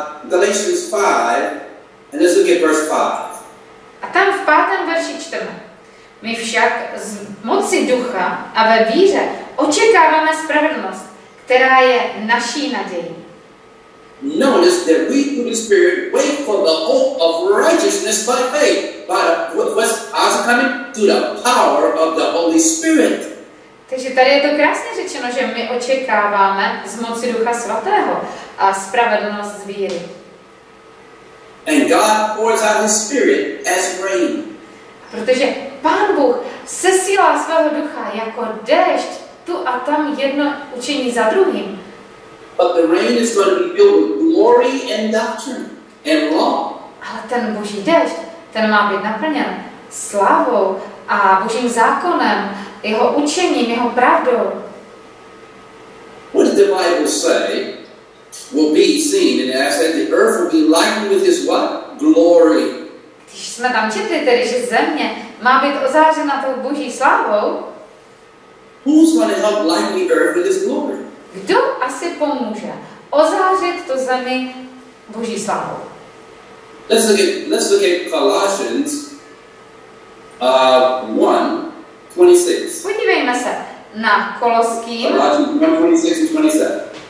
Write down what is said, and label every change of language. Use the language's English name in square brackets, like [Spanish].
[English] Galatians 5, and let's look at verse 5. [Czech] A tam v pátém verši čteme. My však z moci ducha a ve víře očekáváme spravedlnost, která je naší nadějí. [English] Notice that we through the Spirit wait for the hope of righteousness by faith. But what's also coming to the power of the Holy Spirit. [Czech] Takže tady je to krásně řečeno, že my očekáváme z moci Ducha Svatého a spravedlnost z víry. [English] And God pours out His Spirit as rain. [Czech] Protože Pán Bůh sesílá svého ducha jako déšť tu a tam jedno učení za druhým. [English] But the rain is going to be filled with glory and doctrine and law. [Czech] Ale ten Boží déšť, ten má být naplněn slávou a Božím zákonem, jeho učením, jeho pravdou. [English] What did the Bible say will be seen and asked that the earth will be lightened with his what? Glory. [Czech] Když jsme tam četli tedy, že země má být ozářena tou Boží slávou, [English] who's going to help lighten the earth with his glory? [Czech] Kdo asi pomůže ozářit to zemi Boží slávou? [English] Let's look at Colossians 1:26. [Czech] Podívejme se na Koloským 1:26-27.